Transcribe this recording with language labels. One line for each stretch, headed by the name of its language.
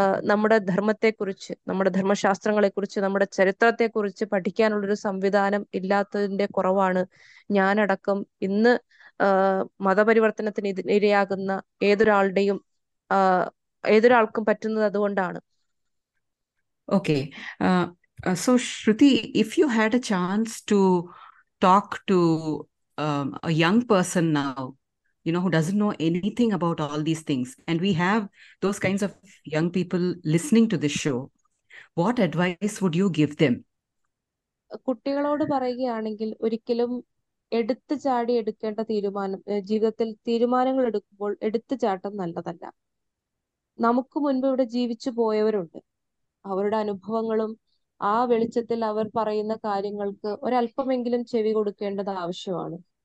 Malayalam: നമ്മുടെ ധർമ്മത്തെക്കുറിച്ച്, നമ്മുടെ ധർമ്മശാസ്ത്രങ്ങളെക്കുറിച്ച്, നമ്മുടെ ചരിത്രത്തെക്കുറിച്ച് പഠിക്കാനുള്ളൊരു സംവിധാനം ഇല്ലാത്തതിൻ്റെ കുറവാണ് ഞാനടക്കം ഇന്ന് മതപരിവർത്തനത്തിന് ഇരയാകുന്ന ഏതൊരാളുടെയും ഏതൊരാൾക്കും പറ്റുന്നത് അതുകൊണ്ടാണ്.
English: Okay, so Shruti, if you had a chance to talk to a young person now, you know, who doesn't know anything about all these things, and we have those kinds of young people listening to this show, what advice would you give them?
Malayalam: കുട്ടികളോട് പറയുകയാണെങ്കിൽ ഒരിക്കലും എടുത്തു ചാടി എടുക്കേണ്ട തീരുമാനം, ജീവിതത്തിൽ തീരുമാനങ്ങൾ എടുക്കുമ്പോൾ എടുത്തു ചാട്ടം നല്ലതല്ല. നമുക്ക് മുൻപ് ഇവിടെ ജീവിച്ചു പോയവരുണ്ട്, അവരുടെ അനുഭവങ്ങളും ആ വെളിച്ചത്തിൽ അവർ പറയുന്ന കാര്യങ്ങൾക്ക് ഒരല്പമെങ്കിലും ചെവി കൊടുക്കേണ്ടത് ആവശ്യമാണ്.